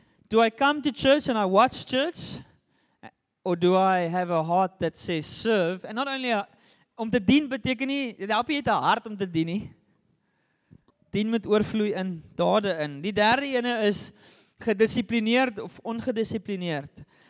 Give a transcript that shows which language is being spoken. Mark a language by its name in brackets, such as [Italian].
[English] Do I come to church and I watch church? Or do I have a heart that says serve? And not only a, [Afrikaans] om te dien beteken nie, dit help jy het 'n hart om te dien nie. Dien met oorvloei in dade in. Die derde ene is gedissiplineerd of ongedissiplineerd.